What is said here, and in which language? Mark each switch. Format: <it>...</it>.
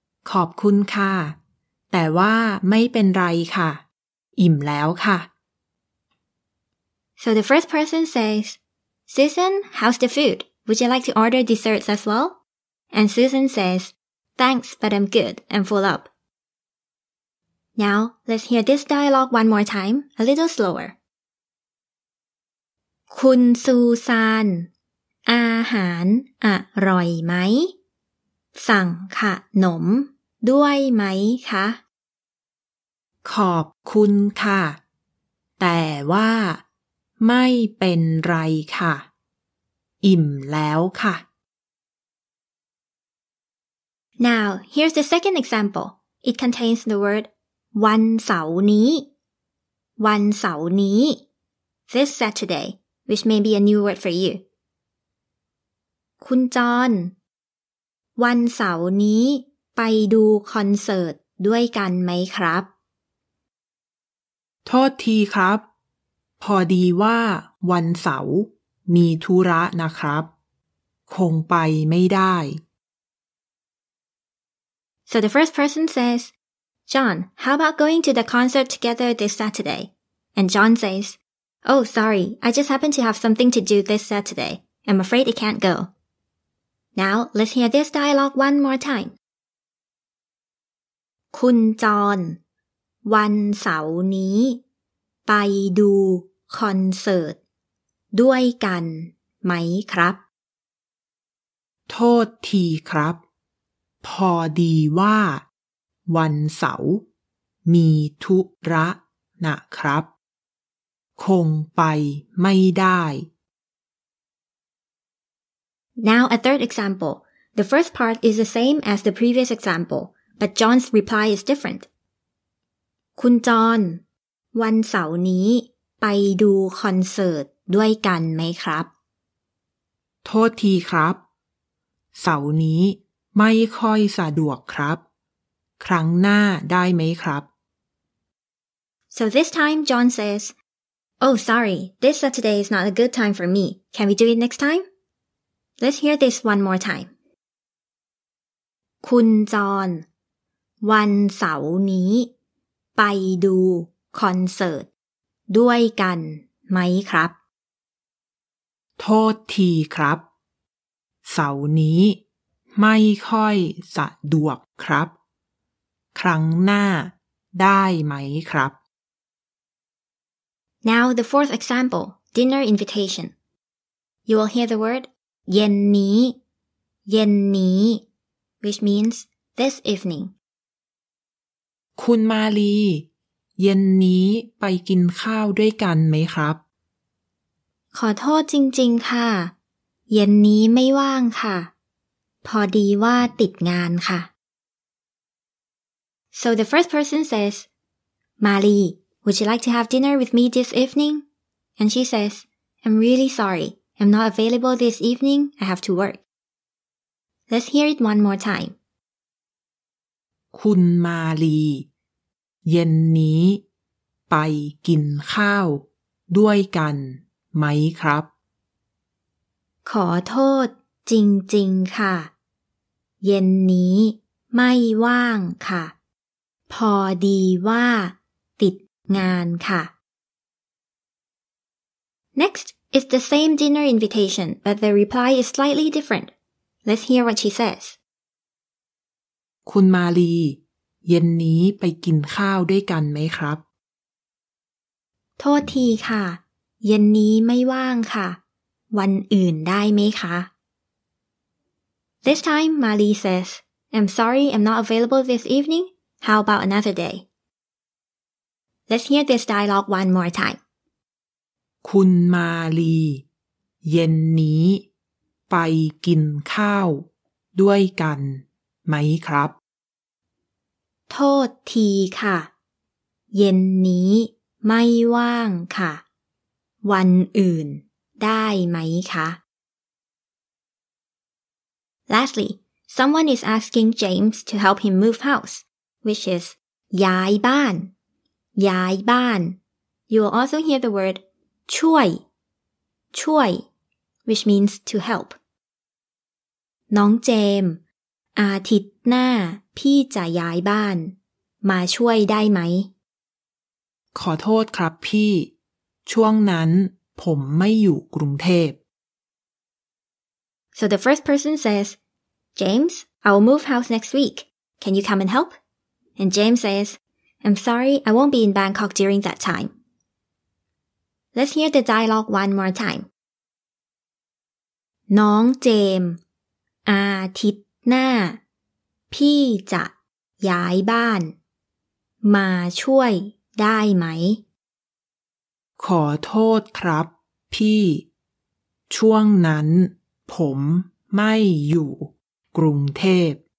<th>ขอบคุณค่ะแต่ว่าไม่เป็นไรค่ะอิ่มแล้วค่ะ</th> <en>So the first person says, Susan, how's the food? Would you like to order desserts as well? And Susan says, Thanks, but I'm good and full up. Now, let's hear this dialogue one more time, a little slower.</en> <th>คุณซูซานอาหารอร่อยไหมสั่งขนมด้วยไหมคะ ขอบคุณค่ะแต่ว่าไม่เป็นไรค่ะอิ่มแล้วค่ะ</th> <en>Now, here's the second example. It contains the word</en> <th>วันเสาร์นี้วันเสาร์นี้</th> <en>This Saturday, which may be a new word for you.</en> <th>คุณจอนวันเสาร์นี้ไปดูคอนเสิร์ตด้วยกันไหมครับ โทษทีครับพอดีว่าวันเสาร์มีธุระนะครับคงไปไม่ได้</th> <en>So the first person says John, how about going to the concert together this Saturday? And John says Oh, sorry, I just happen to have something to do this Saturday. I'm afraid I can't goNow, let's hear this dialogue one more time.</en> <th>คุณจอนวันเสาร์นี้ไปดูคอนเสิร์ตด้วยกันไหมครับ โทษทีครับพอดีว่าวันเสาร์มีธุระนะครับคงไปไม่ได้</th> <en>Now a third example. The first part is the same as the previous example, but John's reply is different.</en> <th>คุณจอนวันเสาร์นี้ไปดูคอนเสิร์ตด้วยกันไหมครับ โทษทีครับเสาร์นี้ไม่ค่อยสะดวกครับครั้งหน้าได้ไหมครับ</th> <en>So this time John says, Oh sorry, this Saturday is not a good time for me. Can we do it next time? Let's hear this one more time.</en> <th>คุณจอนวันเสาร์นี้ไปดูคอนเสิร์ตด้วยกันไหมครับ โทษทีครับเสาร์นี้ ไม่ค่อยสะดวกครับครั้งหน้าได้ไหมครับ</th> <en>Now the fourth example, dinner invitation. You will hear the word</en> <th>เย็นนี้ เย็นนี้</th> <en>which means this evening.</en> <th>คุณมาลีเย็นนี้ไปกินข้าวด้วยกันไหมครับ ขอโทษจริงๆค่ะเย็นนี้ไม่ว่างค่ะพอดีว่าติดงานค่ะ</th> <en>So the first person says Mali, would you like to have dinner with me this evening? And she says I'm really sorry, I'm not available this evening, I have to work Let's hear it one more time</en> <th>คุณมาลีเย็นนี้ไปกินข้าวด้วยกันไหมครับ ขอโทษจริงๆค่ะเย็นนี้ไม่ว่างค่ะพอดีว่าติดงานค่ะ</th> <en>Next is the same dinner invitation but the reply is slightly different Let's hear what she says</en> <th>คุณมาลีเย็นนี้ไปกินข้าวด้วยกันไหมครับ โทษทีค่ะเย็นนี้ไม่ว่างค่ะวันอื่นได้ไหมคะ</th> <en>This time, Mali says, I'm sorry I'm not available this evening. How about another day? Let's hear this dialogue one more time.</en> <th>คุณมาลีเย็นนี้ไปกินข้าวด้วยกันไหมครับ โทษทีค่ะเย็นนี้ไม่ว่างค่ะวันอื่นได้ไหมคะ</th> <en>Lastly, someone is asking James to help him move house, which is</en> <th>ย้ายบ้านย้ายบ้าน</th> <en>You will also hear the word</en> <th>ช่วยช่วย</th> <en>which means to help</en> <th>น้องเจมส์อาทิตย์หน้าพี่จะย้ายบ้านมาช่วยได้ไหม ขอโทษครับพี่ช่วงนั้นผมไม่อยู่กรุงเทพ</th> <en>So the first person says James, I will move house next week. Can you come and help? And James says I'm sorry, I won't be in Bangkok during that time. Let's hear the dialogue one more time.</en> <th>น้องเจมส์อาทิตย์หน้าพี่จะย้ายบ้านมาช่วยได้ไหม ขอโทษครับพี่ช่วงนั้นผมไม่อยู่กรุงเทพ</th>